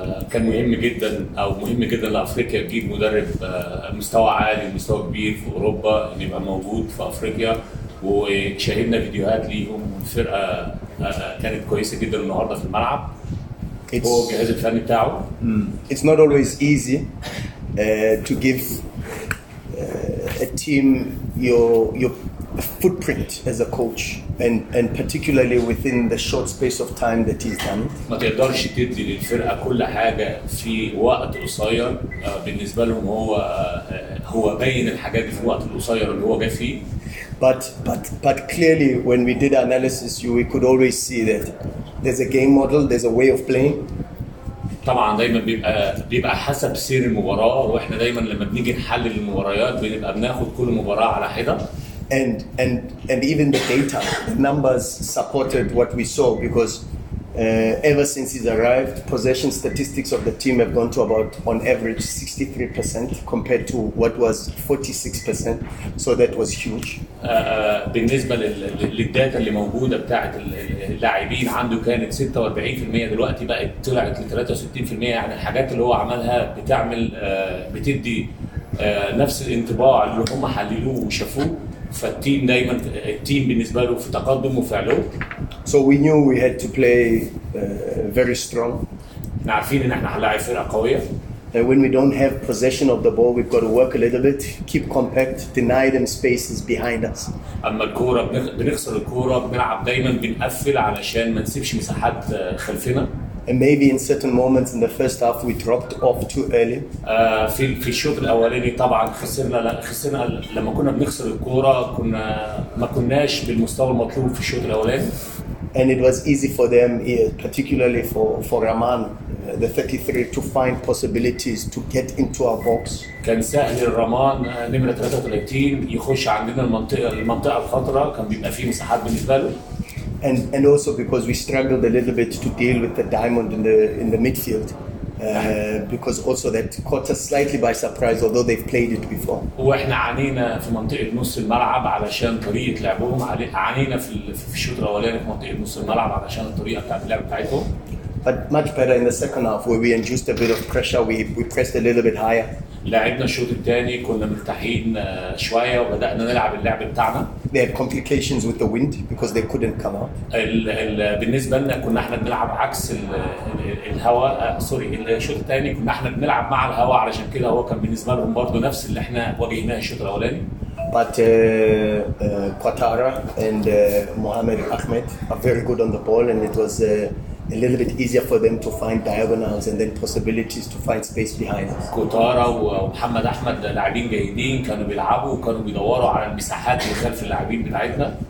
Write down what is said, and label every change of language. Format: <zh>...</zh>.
<ar>كان مهم جدا او مهم جدا لافريقيا تجيب مدرب مستوى عالي مستوى كبير في اوروبا ان يبقى موجود في افريقيا وشاهدنا فيديوهات ليهم والفرقه كانت كويسه جدا النهارده في الملعب هو الجهاز الفني بتاعه</ar> <en>It's not always easy to give a team your footprint as a coach and particularly within the short space of time that he's done.</en> <ar>ما تقدرش تدي للفرقة كل حاجة في وقت قصير بالنسبة لهم هو بين الحاجات في وقت قصير اللي هو جا فيه.</ar> <en>But clearly when we did analysis we could always see that there's a game model, there's a way of playing.</en> <ar>طبعا دايما بيبقى حسب سير المباراة واحنا دايما لما بنيجي نحلل المباريات بنبقى بناخد كل مباراة على حدة.</ar> <en>And even the data, the numbers supported what we saw because ever since he's arrived, possession statistics of the team have gone to about, on average, 63% compared to what was 46%. So that was huge.</en> <ar>بالنسبة للداتا اللي موجودة بتاعت اللاعبين عنده كانت 46% دلوقتي بقت طلعت ل 63% يعني الحاجات اللي هو عملها بتعمل بتدي نفس الانطباع اللي هم حللوه وشافوه. فالتيم دايما التيم بالنسبه له في تقدم وفي علو.</ar> <en>So we knew we had to play very strong.</en> <ar>عارفين ان احنا هنلاعب فرقه قويه.</ar> <en>When we don't have possession of the ball, we've got to work a little bit, keep compact, deny them spaces behind us.</en> <ar>اما الكوره بنخسر الكوره بنلعب دايما بنقفل علشان ما نسيبش مساحات خلفنا.</ar> <en>And maybe in certain moments in the first half we dropped off too early.</en> <ar>في الشوط الأولاني طبعاً خسرنا لما كنا بنخسر الكرة كنا ما كناش بالمستوى المطلوب في الشوط الأولاني.</ar> <en>And it was easy for them, particularly for Rahman, the 33 to find possibilities to get into our box.</en> <ar>كان سهل الرمان نمرة 33 يخش عندنا المنطقة الخطرة كان بيبقى فيه مساحات بالنسبة له.</ar> <en>And also because we struggled a little bit to deal with the diamond in the midfield. Because also that caught us slightly by surprise, although they've played it before.</en> <ar>واحنا عانينا في منطقة نص الملعب علشان طريقة لعبهم عانينا في الشوط الأولاني في منطقة نص الملعب علشان الطريقة بتاعت اللعب بتاعتهم.</ar> <en>But much better in the second half, where we induced a bit of pressure, we pressed a little bit higher.</en> <ar>لعبنا الشوط الثاني كنا مرتاحين شوية وبدأنا نلعب اللعب بتاعنا.</ar> <en>They had complications with the wind because they couldn't come out.</en> <ar>بالنسبة لنا كنا احنا بنلعب عكس الهواء سوري الشوط الثاني كنا احنا بنلعب مع الهواء علشان كده هو كان بالنسبة لهم برضو نفس اللي احنا واجهناه الشوط الأولاني.</ar> <en>But Quattara and Mohamed Ahmed are very good on the ball and it was a little bit easier for them to find diagonals and then possibilities to find space behind us. Kotara and Mohamed Ahmed are good players. They were playing and they were looking at the spaces behind the players.</en>